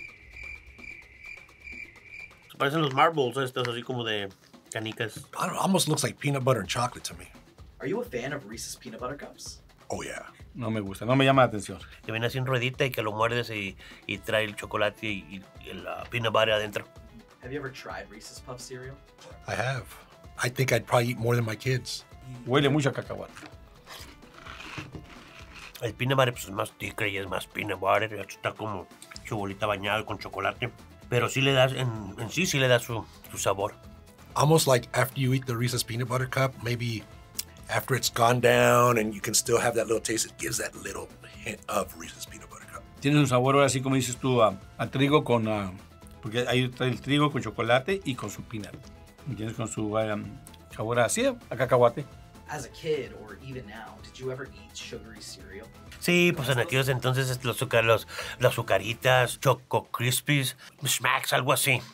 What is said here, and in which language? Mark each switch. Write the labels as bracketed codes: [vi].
[en] Beat 'em up, beat 'em up, beat 'em up, beat 'em up. [es] Parecen los marbles, estos así como de canicas. [en] I don't know, almost looks like peanut butter and chocolate to me. Are you a fan of Reese's peanut butter cups? Oh yeah. [es] No me gusta, no me llama la atención. Que viene así en ruedita y que lo muerdes y trae el chocolate y la peanut butter adentro. [en] Have you ever tried Reese's Puff cereal? I have. I think I'd probably eat more than my kids. [es] Huele mucho a cacahuate. El peanut butter pues, es más ticker y es más peanut butter. Está como su bolita bañada con chocolate. Pero sí le das, sí le da su sabor. [en] Almost like after you eat the Reese's peanut butter cup, maybe after it's gone down and you can still have that little taste, it gives that little hint of Reese's peanut butter cup. [es] Tiene un sabor así como dices tú, a trigo con... porque ahí está el trigo con chocolate y con su peanut. ¿Entiendes? Con su sabor así, a cacahuate. [en] as a kid or even now, did you ever eat sugary cereal? [es] Sí, pues en aquellos entonces los azucaritas, Choco Crispies, Smacks, algo así.